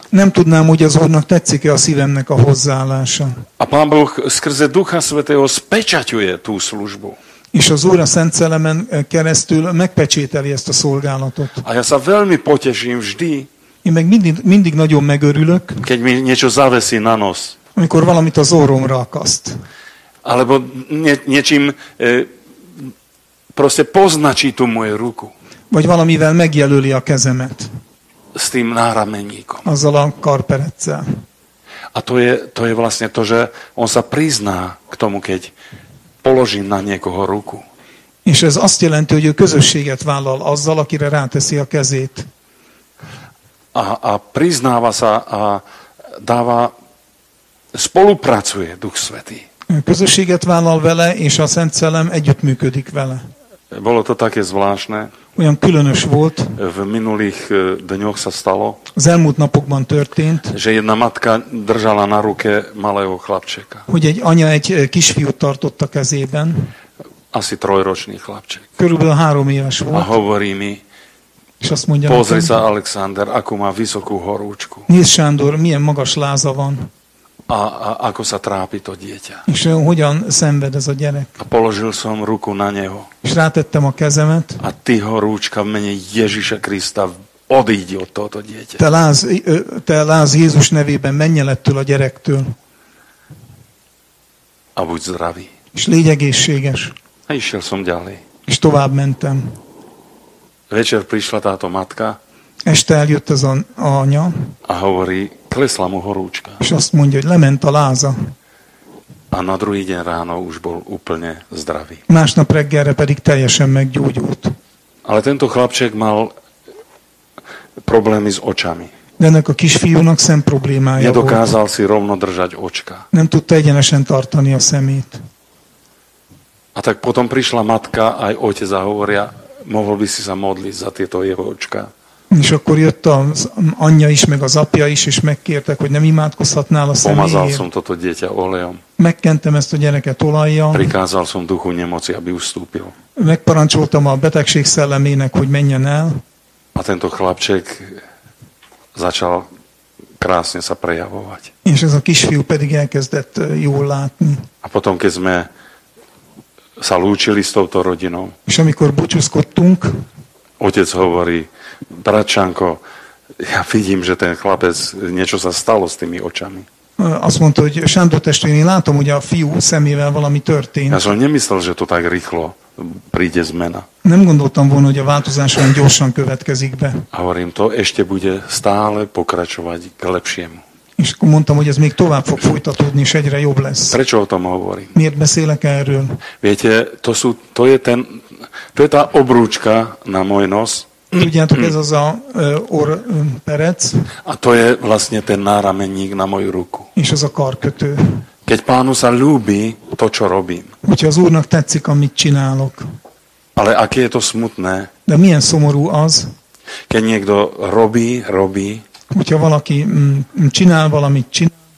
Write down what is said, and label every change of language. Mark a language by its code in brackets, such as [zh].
[hu] Nem tudnám, hogy az Úrnak tetszik-e a szívemnek a hozzáállása. [sk] A Pán Boh skrze Ducha Svätého spečaťuje tú službu. [hu] És az Úr a Szent Szellemen keresztül megpecsételi ezt a szolgálatot. [sk] A ja sa veľmi poteším vždy. [hu] Én meg mindig nagyon megörülök. [sk] Keď mi niečo zaveszi na nos. [hu] Amikor valamit az orromra akaszt. [sk] Alebo niečím proste poznačí tú moju ruku. [hu] Vagy valamivel megjelöli a kezemet. [sk] S tým nárameníkom. [hu] Azzal a karpereccel. [sk] A to je vlastne to, že on sa prizná k tomu, keď položí na niekoho ruku. [hu] És ez azt jelenti, hogy ő közösséget vállal azzal, akire ráteszi a kezét. [sk] A priznáva sa a dáva, spolupracuje Duch Svätý. [hu] Közösséget vállal vele, és a Szent Szellem együttműködik vele. [sk] Bolo to také zvláštne. [hu] Olyan különös volt. [sk] V minulých dňoch sa stalo. [hu] Az elmúlt napokban történt. [sk] Že jedna matka držala na ruke malého chlapčeka. [hu] Hogy egy anya egy kisfiút tartott a kezében. [sk] Asi trojročný chlapček. [hu] Körülbelül 3 éves volt. [sk] A hovorí mi. [hu] És azt mondja. [sk] Pozri sa, Alexander, akú má vysokú horúčku. [hu] Nézd, Sándor, milyen magas láza van. [sk] A ako sa trápi to dieťa. [hu] És hogyan szenved ez a gyerek. [sk] A položil som ruku na neho. [hu] És rátettem a kezemet. [sk] A ty horúčka v mene Ježiša Krista, odíď od tohoto dieťa. [hu] Te láz Jézus nevében, menj el ettől a gyerektől. [sk] A buď zdravý. [hu] És légy egészséges. [sk] A išiel som ďalej. [hu] És tovább mentem. [sk] Večer prišla táto matka. [hu] Este eljött ez a anya. [sk] A hovorí, klesla mu horúčka. [hu] És azt mondja, hogy lement a láza. [sk] A na druhý deň ráno už bol úplne zdravý. [hu] Másnap reggelre pedig teljesen meggyógyult. [sk] Ale tento chlapček mal problémy s očami. [hu] De ennek a kisfiúnak szem problémája volt. [sk] Nedokázal si rovno držať očka. [hu] Nem tudta egyenesen tartani a szemét. [sk] A tak potom prišla matka, aj otec a hovoria, mohol by si sa modliť za tieto jeho očka. [hu] És akkor jött az anyja is, meg az apja is, és megkértek, hogy nem imádkozhatnál a személyért. [sk] Pomazal som toto dieťa olejom. [hu] Megkentem ezt a gyereket olajjal. [sk] Prikázal som duchu nemoci, aby ustúpil. [hu] Megparancsoltam a betegség szellemének, hogy menjen el. [sk] A tento chlapček začal krásne sa prejavovať. [hu] És ez a kisfiú pedig elkezdett jól látni. [sk] A potom, keď sme sa lúčili s touto rodinou. [hu] És amikor búcsúzkodtunk. [sk] Otec hovorí, bratčanko, ja vidím, že ten chlapec, niečo sa stalo s tými očami. [hu] Azt mondta, hogy Sándor testvéri, látom, hogy a fiú szemével valami történt. [sk] Ja som nemyslel, že to tak rýchlo príde zmena. [hu] Nem gondoltam volna, hogy a változás olyan gyorsan következik be. [sk] A hovorím, to ešte bude stále pokračovať k lepšiemu. [hu] És akkor mondtam, hogy ez még tovább fog folytatódni, és egyre jobb lesz. [sk] Prečo o tom hovorím? [hu] Miért beszélek erről? [sk] Viete, to je tá obrúčka na môj nos. [hu] Tudjátok, ez az a or perec. [sk] A to je vlastně ten nárameník na moju ruku. [hu] És az a karkötő. [sk] Keď pánu sa ľúbi to, čo robím. [hu] Úgyhogy az úrnak tetszik, amit csinálok. [sk] Ale aké je to smutné. [hu] De milyen szomorú az. [sk] Keď niekto robí. [hu] Úgyhogy valaki csinál valamit, csinál.